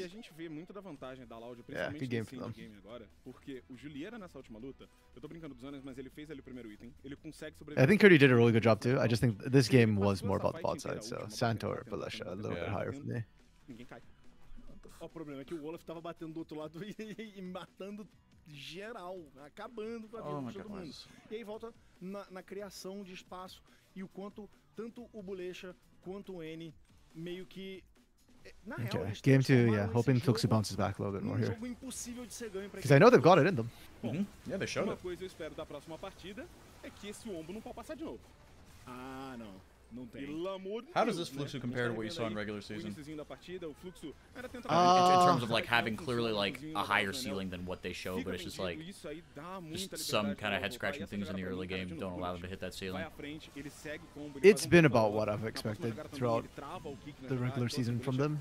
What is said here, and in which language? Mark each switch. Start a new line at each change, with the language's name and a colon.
Portuguese: E a gente vê muito da vantagem da Loud, principalmente
English: yeah, game
Portuguese: nesse endgame agora, porque o Juliera nessa última luta, eu tô brincando dos anos, mas ele fez ali o primeiro item, ele consegue sobreviver.
English: I think Curdy did a really good job too. I just think this game was more about the bot side, so Santor, Belisha, a little bit higher for me.
Portuguese: Ninguém cai. O problema é que o Olaf tava batendo do outro lado e matando geral, acabando com a vida de todo mundo. E aí volta na criação de espaço e o quanto tanto o Belisha quanto o N meio que
English: okay. Game 2, yeah. Hoping Fluxy bounces back a little bit more here. Because I know they've got it in them. Mm-hmm. Yeah, they showed it.
Portuguese: Coisa eu espero da próxima partida é que esse ombro não pode passar de novo. Ah, não. Não tem.
English: How does this Fluxy compare to what you saw in regular season? In terms of like having clearly like a higher ceiling than what they show, but it's just like just some kind of head scratching things in the early game don't allow them to hit that ceiling. It's been about what I've expected throughout the regular season from them.